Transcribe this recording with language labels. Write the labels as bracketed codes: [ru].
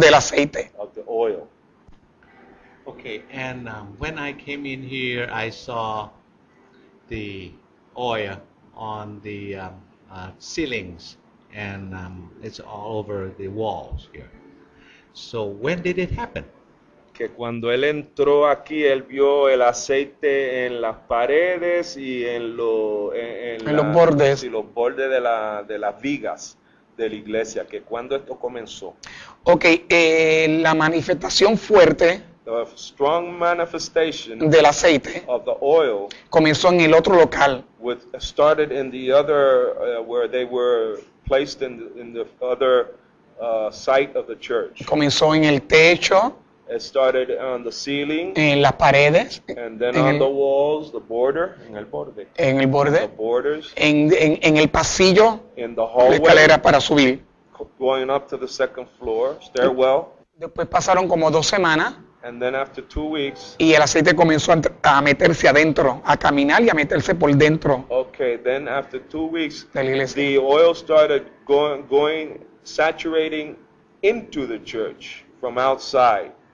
[es] Del aceite. [en] Of the oil. Okay, and when I came in here, I saw the oil on the ceilings, and it's all over the walls here. So when did it happen? [es] Que cuando él entró aquí, él vio el aceite en las paredes y en, lo, en los bordes. Y los bordes de, la, de las vigas de la iglesia. Que cuando esto comenzó. Ok, la manifestación fuerte. [en] The strong manifestation [es] del aceite [en] of the oil [es] comenzó en el otro local. [en] With, started in the other, where they were placed in the other site of the church. [es] Comenzó en el techo. [en] It started on the ceiling, [es] en las paredes, [en] and then on the walls, the border, [es] en el borde, en el borde, [en] the borders, [es] en el pasillo, [en] in the hallway, [es] la escalera para subir, [en] going up to the second floor, stairwell. [es] Después pasaron como dos semanas, [en] and then after 2 weeks, [es] y el aceite comenzó a meterse adentro, a caminar y a meterse por dentro. [en] Okay, then after 2 weeks, [es] de la iglesia, [en] the oil started going saturating into the church from outside.